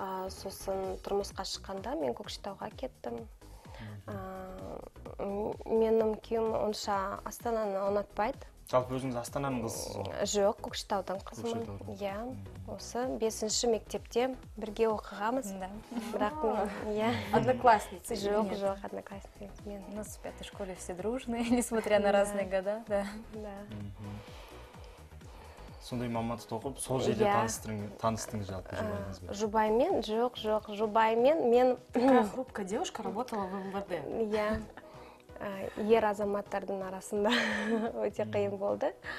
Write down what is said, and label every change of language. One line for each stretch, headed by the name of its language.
Kazakh: Сосын тұрмысқа шыққанда мен Көкшетауға кеттім. Менің күйім онша Астананы ұнатпайды. Жалпы өзіңіз Астананың қызысыз? Жоқ, Көкшетаудың қызымын. Көкшетаудың. Иә. Осы 5-ші мектепте бірге оқығамыз.
Russian: Да.
Kazakh: Бірақ мен, иә.
Russian: Одноклассницы.
Kazakh: Жоқ, жоқ, одноклассницы.
Russian: Мен у нас в 5-й школе все дружные, несмотря на разные года, да. Да.
Kazakh: Сондай мамандықты оқып, сол жерде таныстың жалпы жұбайыңызбен? Жұбаймен? Жоқ, жоқ. Жұбаймен мен...
Russian: Такая хрупка девушка работала в МВД.
Kazakh: Иә. Ер азаматтардың арасында өте қиын болды.